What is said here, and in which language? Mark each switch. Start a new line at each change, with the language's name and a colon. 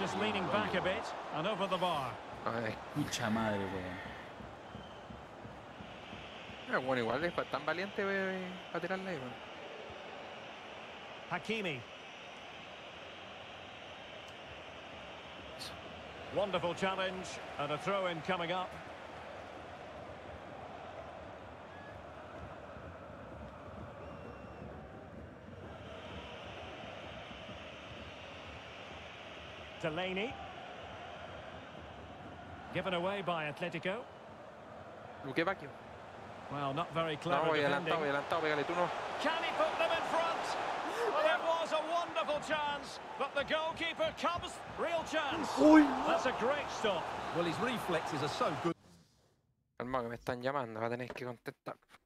English: Just leaning back a bit and over the bar.
Spanish: Mucha madre, weón. Bueno, igual es tan valiente para tirar la IVA. Hakimi.
English: Wonderful challenge and a throw-in coming up. Delaney, given away by Atletico. Luque Bacchio. Well, not very clever.
Spanish: No, voy adelantado, voy adelantado, pégale tú, no.
English: Can he put them in front? Well, it was a wonderful chance, but the goalkeeper comes. Real chance.
Spanish: Uy, no.
English: That's a great stop. Well, his reflexes are so good.
Spanish: Calma, que me están llamando, va a tener que contestar.